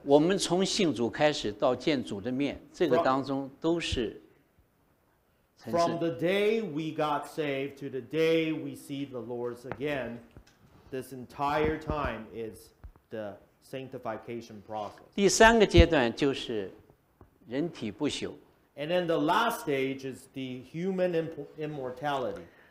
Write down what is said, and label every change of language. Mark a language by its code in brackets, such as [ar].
[zh] 我们从信主开始到见主的面， 这个当中都是 [en] From the day we got saved to the day we see the Lord's again, this entire time is the sanctification process. [zh] 第三个阶段就是人体不朽。 [en] And then the last stage is the human immortality.